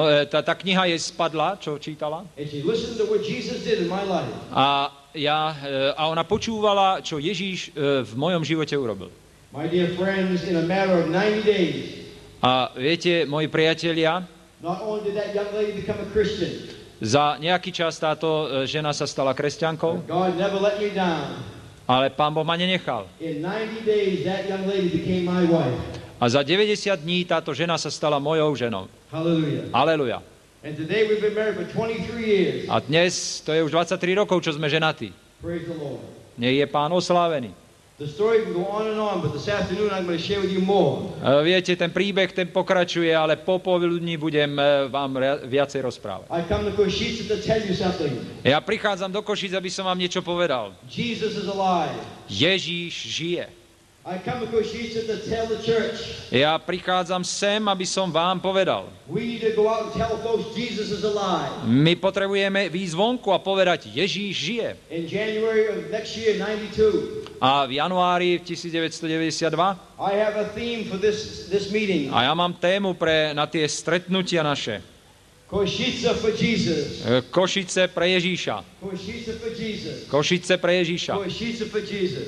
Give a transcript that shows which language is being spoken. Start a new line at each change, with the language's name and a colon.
Slovak: Tá kniha jej spadla, čo čítala.
English: And she listened to what Jesus did in my life.
Slovak: A ona počúvala, čo Ježíš v mojom živote urobil.
English: My dear friends, in a matter of 90 days.
Slovak: A viete, moji priatelia,
English: not only did that young lady become a Christian.
Slovak: Za nejaký čas táto žena sa stala kresťankou.
English: God never let me down.
Slovak: Ale Pán Boh ma nenechal.
English: In 90 days, that young lady became my wife.
Slovak: A za 90 dní táto žena sa stala mojou ženou. Aleluja.
English: And today we've been married for 23 years.
Slovak: A dnes to je už 23 rokov, čo sme ženatí.
English: Praise the Lord.
Slovak: Nech je Pán oslávený.
English: The story can go on and on, but this afternoon I'm going to share with you more.
Slovak: Viete, ten príbeh ten pokračuje, ale po poludní budem vám viacej rozprávať.
English: I come to Košic to tell you something.
Slovak: Ja prichádzam do Košic, aby som vám niečo povedal.
English: Jesus is alive.
Slovak: Ježíš žije.
English: I come to Košic to tell the church.
Slovak: Ja prichádzam sem, aby som vám povedal.
English: We need to go out and tell folks Jesus is alive.
Slovak: My potrebujeme výjsť vonku a povedať, Ježíš žije.
English: In January of next year, 92.
Slovak: A v januári 1992.
English: I have a theme for this meeting.
Slovak: A ja mám tému na tie stretnutia naše.
English: Košice for Jesus.
Slovak: Košice pre Ježíša.
English: Košice for Jesus.
Slovak: Košice pre Ježíša.
English: Košice for Jesus.